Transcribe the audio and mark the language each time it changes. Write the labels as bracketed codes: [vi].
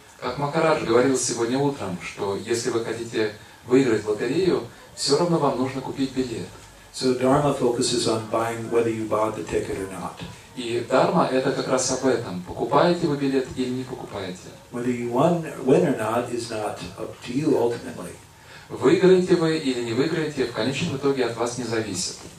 [ru] Как Махарадж говорил сегодня утром, что если вы хотите выиграть лотерею, все равно вам нужно купить билет. [en] So dharma focuses on buying whether you bought the ticket or not. [ru] И дарма это как раз об этом. Покупаете вы билет или не покупаете? [en] Whether you win or not is not up to you ultimately. [ru] выиграете вы или не выиграете, в конечном итоге от вас не зависит.